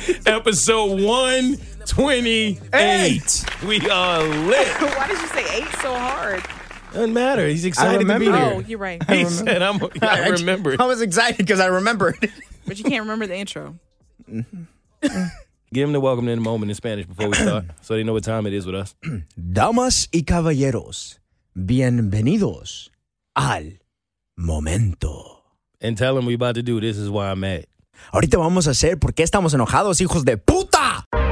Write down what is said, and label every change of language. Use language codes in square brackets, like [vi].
[en] Episode 128. Hey. We are lit. Why did you say eight so hard? Doesn't matter. He's excited to be here. Oh, you're right. I remember. I was excited because I remembered. But you can't remember the intro. Give him the welcome in a moment in Spanish before we start so they know what time it is with us. [es] Damas y caballeros, bienvenidos al momento. [en] And tell him we're about to do This Is Why I'm Mad. [es] Ahorita vamos a hacer por qué estamos enojados, hijos de puta.